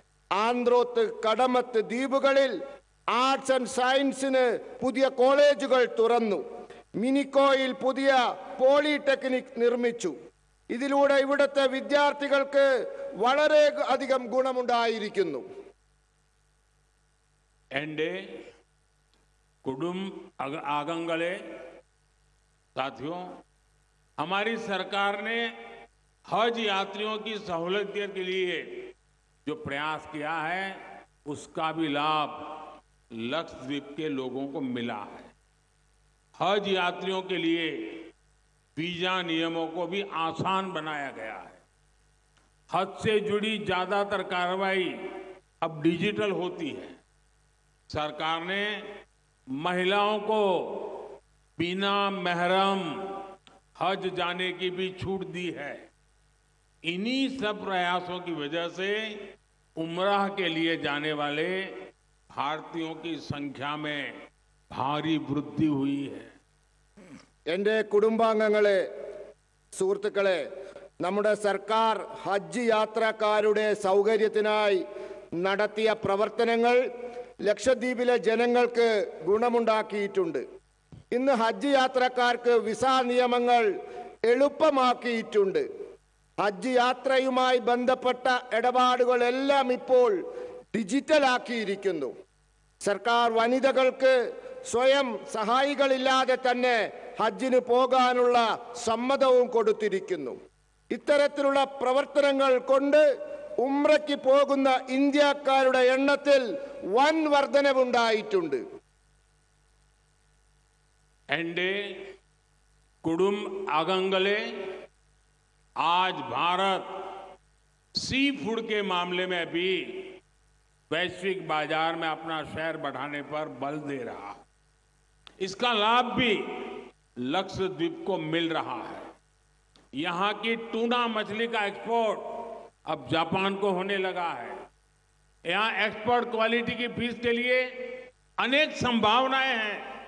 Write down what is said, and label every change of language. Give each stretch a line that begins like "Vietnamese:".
Malayalam: ആന്ത്രോത്ത് കടമത്ത് ദ്വീപുകളിൽ arts and സയൻസിന് പുതിയ കോളേജുകൾ തുറന്നു മിനിക്കോയിൽ പുതിയ പോളിടെക്നിക് നിർമ്മിച്ചു ഇതിലൂടെ ഇവിടുത്തെ വിദ്യാർത്ഥികൾക്ക് വളരെ അധികം ഗുണമുണ്ടായിരിക്കുന്നു എൻ്റെ കുടും അംഗങ്ങളെ സാധ്യോ
Hindi: हमारी सरकार ने हज यात्रियों की सहूलतियों के लिए जो प्रयास किया है उसका भी लाभ लक्षद्वीप के लोगों को मिला है हज यात्रियों के लिए वीजा नियमों को भी आसान बनाया गया है हज से जुड़ी ज्यादातर कार्रवाई अब डिजिटल होती है सरकार ने महिलाओं को बिना महरम हज जाने की भी छूट दी है इन्हीं सब प्रयासों की वजह से उमराह के लिए जाने वाले भारतीयों की संख्या में भारी वृद्धि हुई है
Malayalam: എൻ്റെ കുടുംബാംഗങ്ങളെ സുഹൃത്തുക്കളെ നമ്മുടെ സർക്കാർ ഹജ്ജ് യാത്രക്കാരുടെ സൗകര്യത്തിനായി നടത്തിയ പ്രവർത്തനങ്ങൾ ലക്ഷദ്വീപിലെ ജനങ്ങൾക്ക് ഗുണമുണ്ടാക്കിയിട്ടുണ്ട് ഇന്ന് ഹജ്ജ് യാത്രക്കാർക്ക് വിസ നിയമങ്ങൾ എളുപ്പമാക്കിയിട്ടുണ്ട് ഹജ്ജ് യാത്രയുമായി ബന്ധപ്പെട്ട ഇടപാടുകളെല്ലാം ഇപ്പോൾ ഡിജിറ്റലാക്കിയിരിക്കുന്നു സർക്കാർ വനിതകൾക്ക് സ്വയം സഹായികളില്ലാതെ തന്നെ ഹജ്ജിന് പോകാനുള്ള സമ്മതവും കൊടുത്തിരിക്കുന്നു ഇത്തരത്തിലുള്ള പ്രവർത്തനങ്ങൾ കൊണ്ട് ഉംറയ്ക്ക് പോകുന്ന ഇന്ത്യക്കാരുടെ എണ്ണത്തിൽ വൻ വർധനവുണ്ടായിട്ടുണ്ട് എൻ്റെ കുടും അംഗങ്ങളെ
Hindi: ആജ് Bharat sea food K മാമലെ may be वैश्विक बाजार में अपना शेयर बढ़ाने पर बल दे रहा इसका लाभ भी लक्षद्वीप को मिल रहा है यहाँ की टूना मछली का एक्सपोर्ट अब जापान को होने लगा है यहाँ एक्सपोर्ट क्वालिटी की फिश के लिए अनेक संभावनाएं हैं